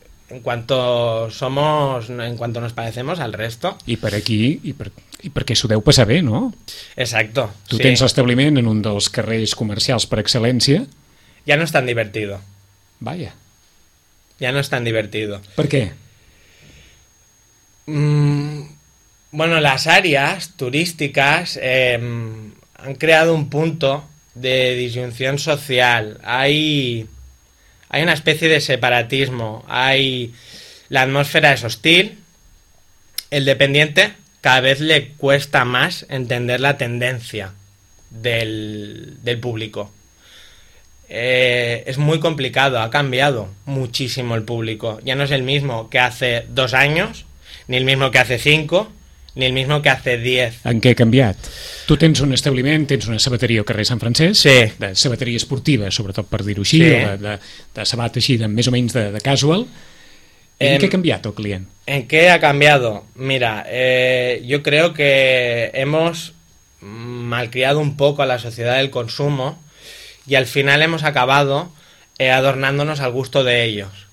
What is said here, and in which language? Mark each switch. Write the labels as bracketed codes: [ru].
[es] En cuanto nos parecemos al resto. [ca] I per aquí, i perquè s'ho deu passar bé, no? [es] Exacto. [ca] Tu sí. Tens l'establiment en un dels carrers comercials per excel·lència. [es] Ya no es tan divertido. Vaya. Ya no es tan divertido. [ca] Per què? [es] Bueno, las áreas turísticas han creado un punto de disyunción social. Hay una especie de separatismo. La atmósfera es hostil. El dependiente cada vez le cuesta más entender la tendencia del público. Es muy complicado, ha cambiado muchísimo el público. Ya no es el mismo que hace 2 años. Ni el mismo que hace 5, ni el mismo que hace 10. [ca] En què ha canviat? Tu tens un establiment, tens una sabateria al carrer Sant Francesc, sí, de sabateria esportiva, sobretot per dir-ho així, sí, de sabata així, de, més o menys de casual. En què ha canviat el client? [es] En què ha cambiado? Mira, yo creo que hemos malcriado un poco a la sociedad del consumo y al final hemos acabado adornándonos al gusto de ellos.